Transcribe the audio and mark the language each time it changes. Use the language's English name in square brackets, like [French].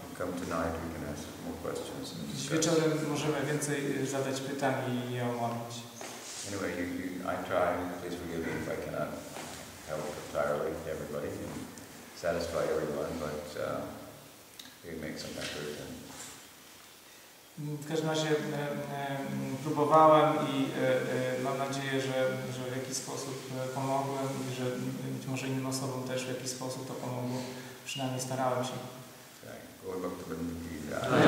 [English] Come tonight, we can ask more questions. [Polish] Wieczorem możemy więcej zadać pytań i je omówić. [English] Anyway, I try, please forgive me if I cannot help entirely everybody and satisfy everyone, but we make some effort. [Polish] W każdym razie próbowałem i mam nadzieję, że w jakiś sposób pomogłem i że być może innym osobom też w jakiś sposób to pomogło. Przynajmniej starałem się. Tak, głęboko to będę widział.